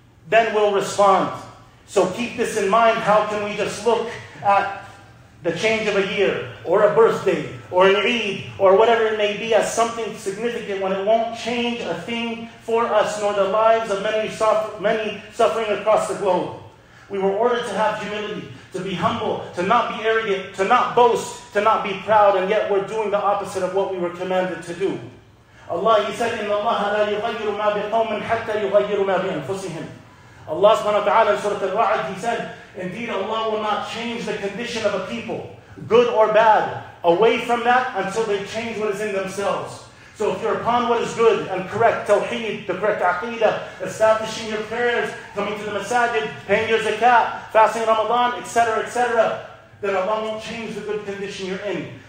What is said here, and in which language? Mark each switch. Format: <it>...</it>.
<en>Then we'll respond. So keep this in mind. How can we just look at the change of a year, or a birthday, or an Eid, or whatever it may be, as something significant when it won't change a thing for us, nor the lives of many suffering across the globe? We were ordered to have humility, to be humble, to not be arrogant, to not boast, to not be proud, and yet we're doing the opposite of what we were commanded to do. Allah, He said,</en> <ar>إِنَّ اللَّهَ لَا يُغَيِّرُ مَا بِقَوْمٍ حَتَّى يُغَيِّرُ مَا بِأَنفُسِهِمْ.</ar> <en>Allah subhanahu wa ta'ala in Surah Al-Ra'd, He said, indeed Allah will not change the condition of a people, good or bad, away from that until they change what is in themselves. So if you're upon what is good and correct, tawheed, the correct aqidah, establishing your prayers, coming to the masajid, paying your zakat, fasting Ramadan, etc., etc., then Allah won't change the good condition you're in.</en>